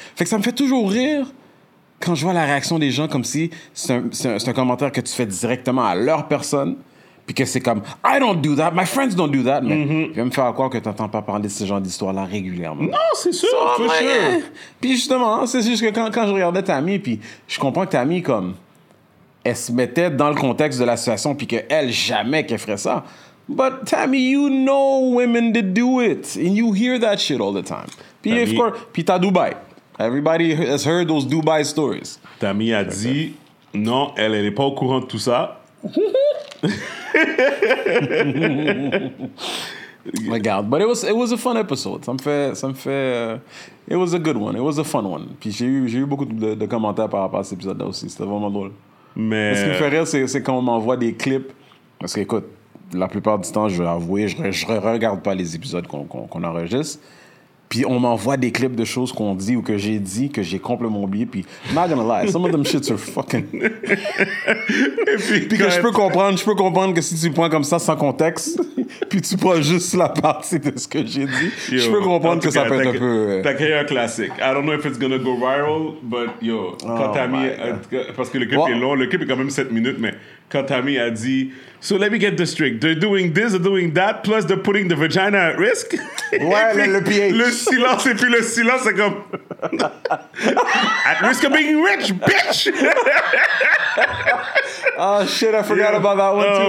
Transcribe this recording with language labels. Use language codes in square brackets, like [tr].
[fr] Fait que ça me fait toujours rire quand je vois la réaction des gens comme si c'est un commentaire que tu fais directement à leur personne puis que c'est comme [en] I don't do that, [fr] my friends don't do that. Mais mm-hmm. Je vais me faire croire que t'entends pas parler de ce genre d'histoire-là régulièrement. Non, c'est sûr, c'est sûr. Puis justement, c'est juste que quand je regardais Tammy, puis je comprends que Tammy comme... Elle se mettait dans le contexte de la situation puis qu'elle, jamais qu'elle ferait ça. [en] But Tammy, you know women to do it. And you hear that shit all the time. [fr] Puis [en] of course, [fr] puis t'as Dubaï. [en] Everybody has heard those Dubaï stories. [fr] Tammy a c'est dit, ça. Non, elle n'est pas au courant de tout ça. Regarde, [en] but it was a fun episode. [fr] Ça me fait [en] it was a good one. It was a fun one. [fr] Puis j'ai eu beaucoup de commentaires par rapport à cet épisode-là aussi. C'était vraiment drôle. Mais ce qui me fait rire, c'est quand on m'envoie des clips. Parce que écoute, la plupart du temps, je vais avouer, je regarde pas les épisodes qu'on enregistre. Puis on m'envoie des clips de choses qu'on dit ou que j'ai dit, que j'ai complètement oublié. [en] Puis, I'm not gonna lie, some of them shits are fucking... [fr] Et puis que je peux comprendre que si tu prends comme ça sans contexte, puis tu prends juste la partie de ce que j'ai dit, yo, je peux comprendre que cas, ça peut être un peu... T'as créé un classique. [en] I don't know if it's gonna go viral, but yo, [fr] quand t'as mis... Parce que le clip est long, le clip est quand même 7 minutes, mais... Quand Tammy a dit, [en] so let me get this straight, they're doing this, they're doing that, plus they're putting the vagina at risk. [fr] Ouais, le pH. Le silence, et puis le silence, c'est comme, [en] at risk of being rich, bitch. Oh shit, I forgot about that one too.